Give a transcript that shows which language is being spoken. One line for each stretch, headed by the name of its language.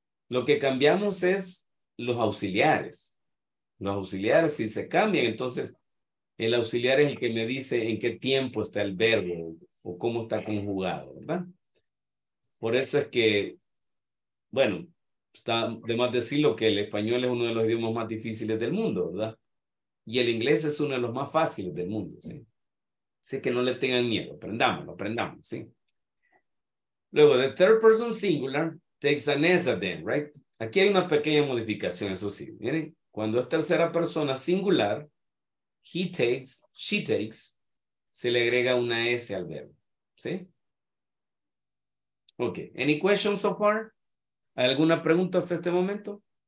Spanish: Lo que cambiamos es los auxiliares. Los auxiliares sí se cambian, entonces el auxiliar es el que me dice en qué tiempo está el verbo o cómo está conjugado, ¿verdad? Por eso es que, bueno, está de más decirlo que el español es uno de los idiomas más difíciles del mundo, ¿verdad? Y el inglés es uno de los más fáciles del mundo, ¿sí? Así que no le tengan miedo, aprendamos, ¿sí?
English: Luego, the third person singular takes an S at the end, right?
Spanish: Aquí hay una pequeña modificación, eso sí, miren, cuando es tercera persona singular,
English: he takes, she takes,
Spanish: se le agrega una S al verbo, ¿sí?
English: Ok, any questions so far?
Spanish: ¿Alguna pregunta hasta este momento?